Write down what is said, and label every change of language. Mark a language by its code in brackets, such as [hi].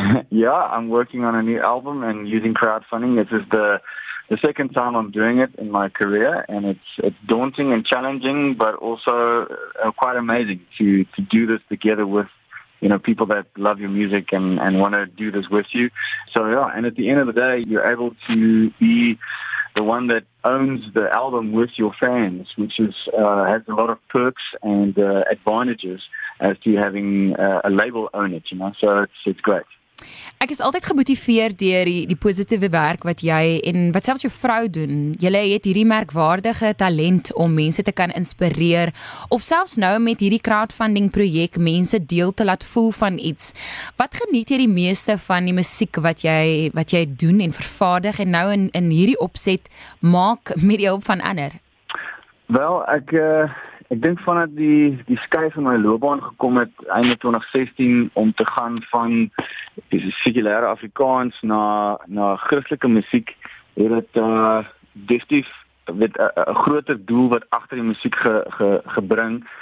[en] Yeah, I'm working on a new album and using crowdfunding. This is the second time I'm doing it in my career, and it's daunting and challenging, but also quite amazing to do this together with, you know, people that love your music and want to do this with you. So yeah, and at the end of the day, you're able to be the one that owns the album with your fans, which is has a lot of perks and advantages as to having a label own it, you know. So it's great. [af] Ek is altyd gemotiveer deur die positiewe werk wat jy en wat selfs jou vrou doen. Julle het hierdie merkwaardige talent om mense te kan inspireer of selfs nou met hierdie crowdfunding projek mense deel te laat voel van iets. Wat geniet jy die meeste van die musiek wat jy doen en vervaardig en nou in hierdie opset maak met die hulp van ander? Wel, ek dink vanaf die skuif in my loopbaan gekom het einde 2016 om te gaan van sekulêre Afrikaans na Christelike musiek, het dit definitief met 'n groter doel wat agter die musiek gebring.